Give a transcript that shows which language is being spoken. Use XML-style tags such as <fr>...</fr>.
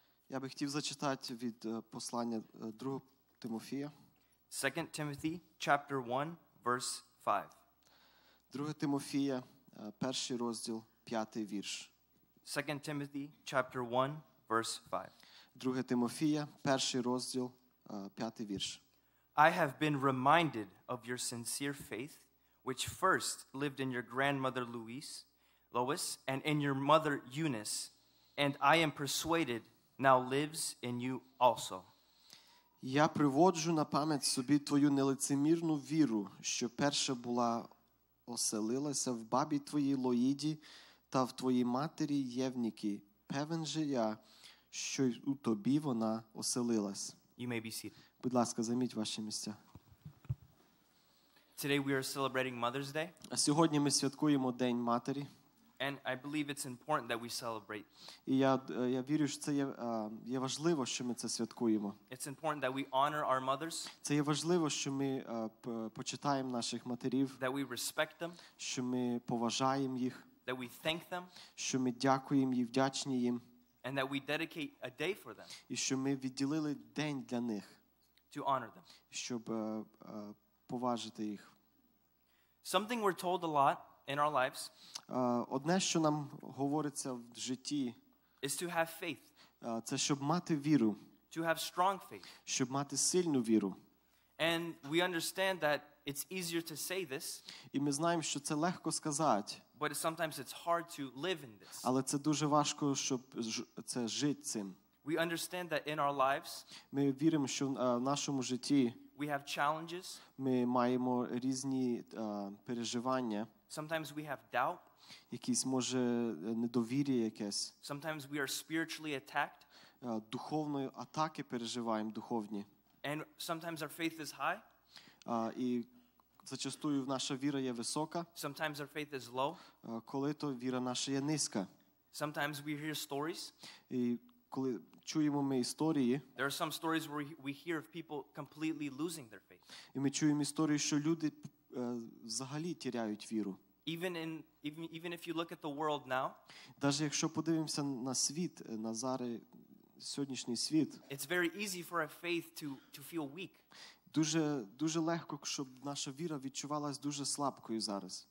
<uk>Я би хотів зачитати від послання 2 Тимофія.</uk> <en>2 Timothy chapter 1 verse 5.</en> <uk>2 Тимофія, перший розділ, 5-й вірш.</uk> <en>2 Timothy chapter 1 verse 5.</en> <uk>2 Тимофія, перший розділ, 5-й вірш.</uk> <en>I have been reminded of your sincere faith, which first lived in your grandmother Lois, and in your mother Eunice, and I am persuaded now lives in you also.</en> <uk>Я приводжу на пам'ять собі твою нелицемірну віру, що перша була оселилася в бабі твоїй Лоїді та в твоїй матері Євніки. Певен же я, що у тобі вона оселилась.</uk> <en>You may be seated.</en> <uk>Будь ласка, займіть ваші місця.</uk> <en>Today we are celebrating Mother's Day.</en> <uk>А сьогодні ми святкуємо День Матері.</uk> <en>And I believe it's important that we celebrate.</en> <uk>І я вірю, що це є важливо, що ми це святкуємо.</uk> <en>It's important that we honor our mothers.</en> <uk>Це є важливо, що ми почитаємо наших матерів.</uk> <en>That we respect them.</en> <uk>Що ми поважаємо їх.</uk> <en>That we thank them.</en> <uk>Що ми дякуємо їм, вдячні їм.</uk> <en>And that we dedicate a day for them.</en> <uk>І що ми відділили день для них.</uk> <en>To honor them.</en> <uk>Щоб поважити їх.</uk> <en>Something we're told a lot in our lives.</en> <uk>Одне, що нам говориться в житті,</uk> <en>is to have faith.</en> <uk>Це щоб мати віру.</uk> <en>To have strong faith.</en> <uk>Щоб мати сильну віру.</uk> <en>And we understand that it's easier to say this.</en> <uk>І ми знаємо, що це легко сказати.</uk> <en>But sometimes it's hard to live in this.</en> <uk>Але це дуже важко, щоб це жити цим.</uk> <en>We understand that in our lives,</en> <uk>ми віримо, що в нашому житті,</uk> <en>we have challenges,</en> <uk>ми маємо різні переживання,</uk> <en>sometimes we have doubt,</en> <uk>якісь, може, недовір'я якесь,</uk> <en>sometimes we are spiritually attacked,</en> <uk>духовної атаки переживаємо, духовні,</uk> <en>and sometimes our faith is high,</en> <uk>і зачастую наша віра є висока,</uk> <en>sometimes our faith is low,</en> <uk>коли то віра наша є низька,</uk> <en>sometimes we hear stories,</en> <uk>і коли чуємо ми історії,</uk> <en>there are some stories where we hear of people completely losing their faith.</en> <uk>І ми чуємо історії, що люди взагалі тіряють віру.</uk> <en>Even if you look at the world now,</en> <uk>даже якщо подивимося на світ, на зараз сьогоднішній світ,</uk> <en>it's very easy for our faith to feel weak.</en> <uk>Дуже легко, щоб наша віра відчувалась дуже слабкою зараз.</uk>